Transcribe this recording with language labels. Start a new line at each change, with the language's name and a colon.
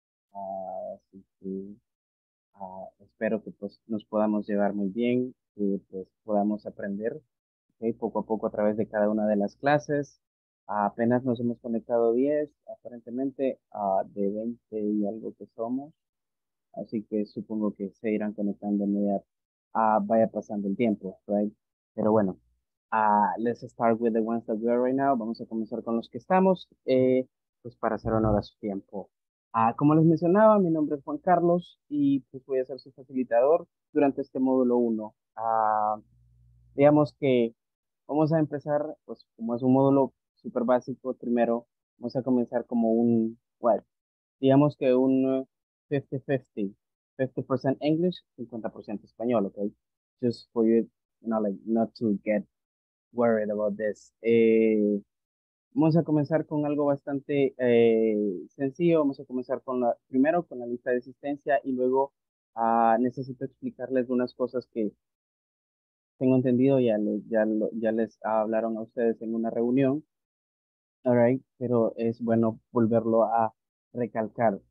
Spanish: Así que espero que pues, nos podamos llevar muy bien y pues, podamos aprender, ¿okay? Poco a poco a través de cada una de las clases. Apenas nos hemos conectado 10, aparentemente de 20 y algo que somos. Así que supongo que se irán conectando a medida que vaya pasando el tiempo, ¿right? Pero bueno.
English: Let's start with the ones that we are right now.
Spanish: Vamos a comenzar con los que estamos, pues para hacer honor a su tiempo. Como les mencionaba, mi nombre es Juan Carlos y pues voy a ser su facilitador durante este módulo 1. Digamos que vamos a empezar, pues como es un módulo súper básico, primero vamos a comenzar como un, well, digamos que un 50-50,
English: 50% English,
Spanish: 50% español, ok?
English: Just for you, not to get worried about this.
Spanish: Vamos a comenzar con algo bastante sencillo. Vamos a comenzar con la primero con la lista de asistencia y luego necesito explicarles algunas cosas que tengo entendido. Ya les hablaron a ustedes en una reunión.
English: All right,
Spanish: pero es bueno volverlo a recalcar.